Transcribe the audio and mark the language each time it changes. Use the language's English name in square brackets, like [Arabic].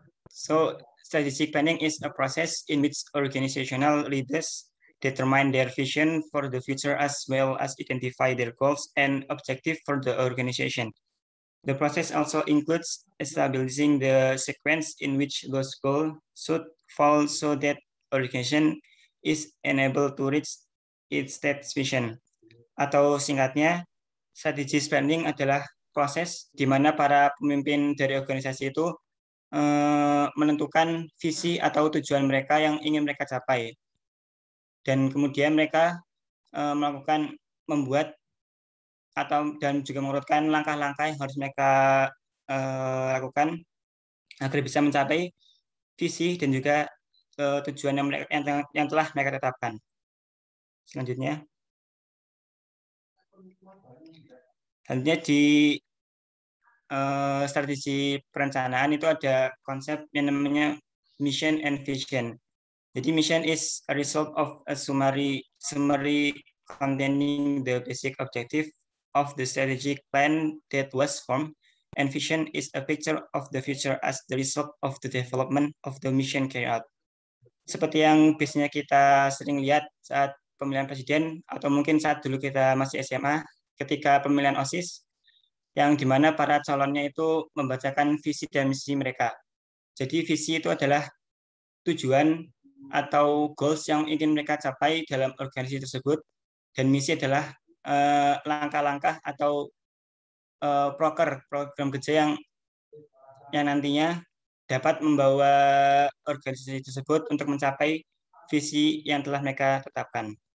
[English] So, strategic planning is a process in which organizational leaders determine their vision for the future as well as identify their goals and objectives for the organization. The process also includes establishing the sequence in which those goals should fall so that organization is enabled to reach its set vision. [Indonesian] Atau singkatnya, strategic planning adalah proses di mana para pemimpin dari organisasi itu menentukan visi atau tujuan mereka yang ingin mereka capai. Dan kemudian mereka membuat atau dan juga mengurutkan langkah-langkah yang harus mereka lakukan agar bisa mencapai visi dan juga tujuan yang telah mereka tetapkan. Selanjutnya. Selanjutnya di strategi perencanaan itu ada konsep yang namanya [English] mission and vision. Jadi mission is a result of a summary containing the basic objective of the strategic plan that was formed, and vision is a picture of the future as the result of the development of the mission carried out. [Indonesian] Seperti yang biasanya kita sering lihat saat pemilihan presiden atau mungkin saat dulu kita masih SMA ketika pemilihan OSIS yang di mana para calonnya itu membacakan visi dan misi mereka. Jadi visi itu adalah tujuan atau goals yang ingin mereka capai dalam organisasi tersebut, dan misi adalah langkah-langkah atau program kerja yang nantinya dapat membawa organisasi tersebut untuk mencapai visi yang telah mereka tetapkan.